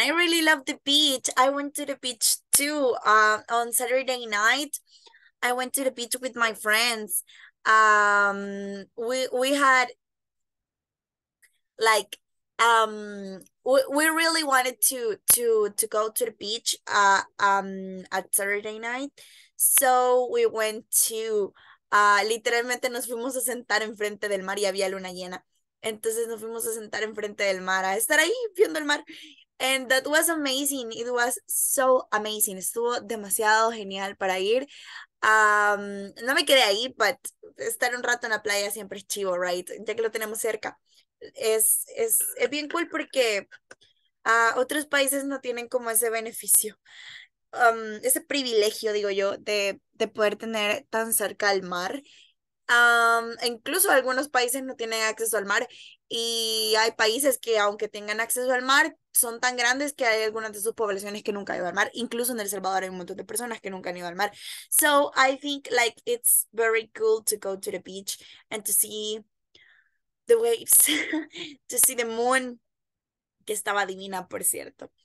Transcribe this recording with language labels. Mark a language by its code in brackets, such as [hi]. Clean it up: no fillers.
[en] I really love the beach. I went to the beach too. On Saturday night, I went to the beach with my friends. We had like we really wanted to go to the beach at Saturday night. So we went to, [es] literalmente nos fuimos a sentar enfrente del mar y había luna llena. Entonces nos fuimos a sentar enfrente del mar, a estar ahí viendo el mar. [en] And that was amazing. It was so amazing. [es] Estuvo demasiado genial para ir. No me quedé ahí, but estar un rato en la playa siempre es chivo, right? Ya que lo tenemos cerca. Es bien cool porque otros países no tienen como ese beneficio. Ese privilegio, digo yo, de poder tener tan cerca al mar. Incluso algunos países no tienen acceso al mar y hay países que aunque tengan acceso al mar, son tan grandes que hay algunas de sus poblaciones que nunca han ido al mar. Incluso en El Salvador hay un montón de personas que nunca han ido al mar. [en] So I think like it's very cool to go to the beach and to see the waves, to see the moon, [es] que estaba divina, por cierto.